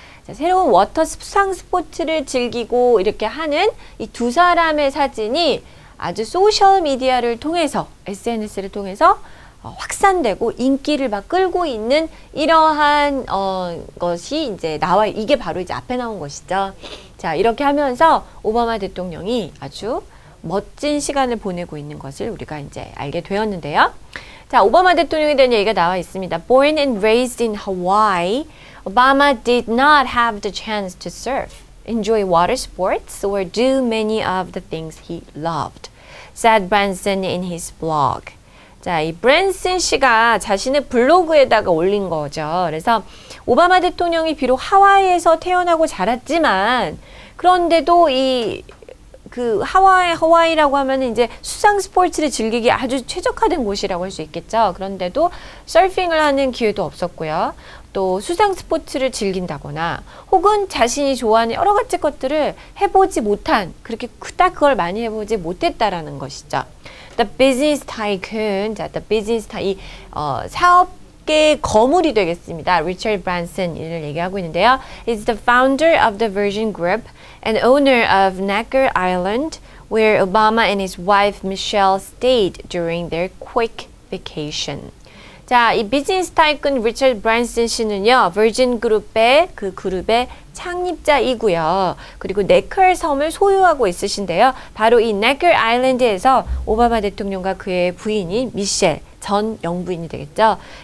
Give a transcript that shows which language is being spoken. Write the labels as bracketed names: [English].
[Korean] 자, 새로운 워터 수상 스포츠를 즐기고 이렇게 하는 이 두 사람의 사진이 아주 소셜 미디어를 통해서 SNS를 통해서 확산되고 인기를 막 끌고 있는 이러한 것이 이제 나와 이게 바로 이제 앞에 나온 것이죠. 자 이렇게 하면서 오바마 대통령이 아주 멋진 시간을 보내고 있는 것을 우리가 이제 알게 되었는데요. 자, 오바마 대통령에 대한 얘기가 나와 있습니다. [English] Born and raised in Hawaii, Obama did not have the chance to surf, enjoy water sports, or do many of the things he loved, said Branson in his blog. [Korean] 자, 이 브랜슨 씨가 자신의 블로그에다가 올린 거죠. 그래서 오바마 대통령이 비록 하와이에서 태어나고 자랐지만 그런데도 이 그 하와이라고 하면 이제 수상 스포츠를 즐기기 아주 최적화된 곳이라고 할 수 있겠죠. 그런데도 서핑을 하는 기회도 없었고요. 또 수상 스포츠를 즐긴다거나 혹은 자신이 좋아하는 여러 가지 것들을 해보지 못한, 그렇게 딱 그걸 많이 해보지 못했다라는 것이죠. [English] The business tycoon, the business tycoon, [Korean] 사업 거물이 되겠습니다. 리처드 브랜슨을 얘기하고 있는데요. [English] He's the founder of the Virgin Group and owner of Necker Island where Obama and his wife Michelle stayed during their quick vacation. [Korean] 자, 이 비즈니스 타이쿤 리처드 브랜슨 씨는요. 버진 그룹의 그 그룹의 창립자이고요. 그리고 네컬 섬을 소유하고 있으신데요. 바로 이 네컬 아일랜드에서 오바마 대통령과 그의 부인인 미셸 전 영부인이 되겠죠.